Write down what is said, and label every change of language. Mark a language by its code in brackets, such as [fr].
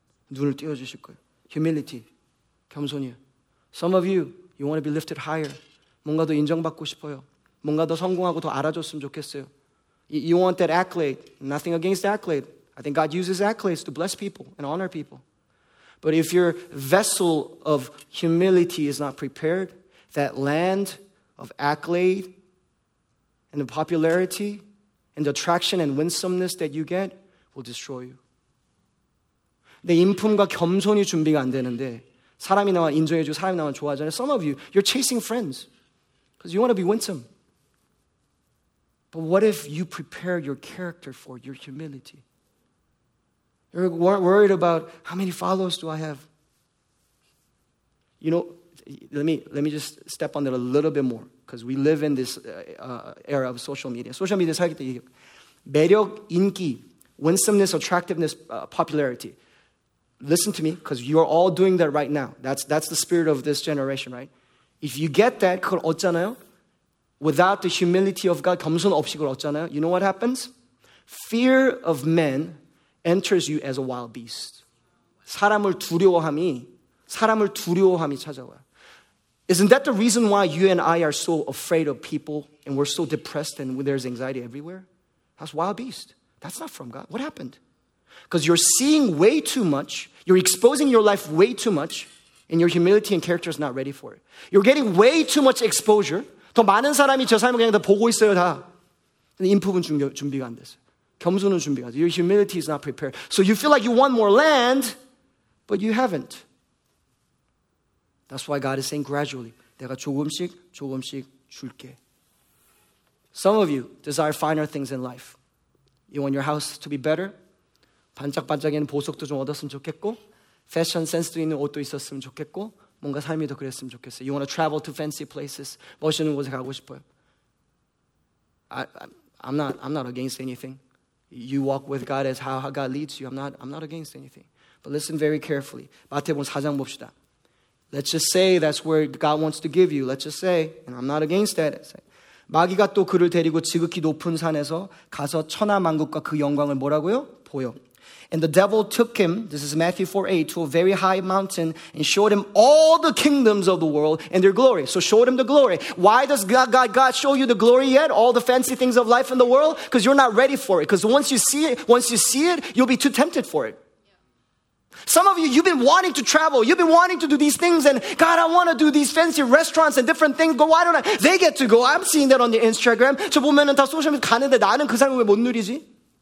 [ko] 눈을 띄워주실 거예요. Humility, 겸손이요. [en] Some of you, you want to be lifted higher. [ko] 뭔가 더 인정받고 싶어요. 뭔가 더 성공하고 더 알아줬으면 좋겠어요. [en] You want that accolade. Nothing against accolade. I think God uses accolades to bless people and honor people. But if your vessel of humility is not prepared, that land of accolade and the popularity and the attraction and winsomeness that you get will destroy you. [ko] 내 인품과 겸손이 준비가 안 되는데 사람이 나만 인정해주고 사람이 나만 좋아하잖아요. [en] Some of you, you're chasing friends because you want to be winsome. But what if you prepare your character for your humility? You're worried about how many followers do I have? You know, let me just step on that a little bit more because we live in this era of social media. Social media [ko] 살기 때 매력, 인기, [en] winsomeness, attractiveness, popularity. Listen to me, because you are all doing that right now. That's the spirit of this generation, right? If you get that, [ko] 그걸 얻잖아요. [en] Without the humility of God, [ko] 겸손 없이 그걸 얻잖아요. [en] You know what happens? Fear of men enters you as a wild beast. [ko] 사람을 두려워함이 찾아와. [en] Isn't that the reason why you and I are so afraid of people and we're so depressed and there's anxiety everywhere? That's wild beast. That's not from God. What happened? Because you're seeing way too much. You're exposing your life way too much. And your humility and character is not ready for it. You're getting way too much exposure. [ko] 더 많은 사람이 저 삶을 그냥 다 보고 있어요, 다. 근데 인품은 준비가 안 됐어요. 겸손은 준비가 안 돼. [en] Your humility is not prepared. So you feel like you want more land, but you haven't. That's why God is saying gradually, [ko] 내가 조금씩 조금씩 줄게. [en] Some of you desire finer things in life. You want your house to be better? [ko] 반짝반짝이는 보석도 좀 얻었으면 좋겠고 패션 센스도 있는 옷도 있었으면 좋겠고 뭔가 삶이 더 그랬으면 좋겠어요. [en] You want to travel to fancy places? [ko] 멋있는 곳에 가고 싶어요. [en] I'm not against anything. You walk with God as how God leads you. I'm not against anything. But listen very carefully. [ko] 마태복음 4장 봅시다. [en] Let's just say that's where God wants to give you. Let's just say, and I'm not against that. [ko] 마귀가 또 그를 데리고 지극히 높은 산에서 가서 천하 만국과 그 영광을 뭐라고요? 보여. [en] And the devil took him, this is Matthew 4:8, to a very high mountain and showed him all the kingdoms of the world and their glory. So showed him the glory. Why does God show you the glory yet? All the fancy things of life in the world? Because you're not ready for it. Because once you see it, you'll be too tempted for it. Some of you, you've been wanting to travel. You've been wanting to do these things. And God, I want to do these fancy restaurants and different things. Go, why don't I? They get to go. I'm seeing that on the Instagram. [ko] 저 보면은 다 소셜미디어 가는데 나는 그 삶을 왜 못 누리지?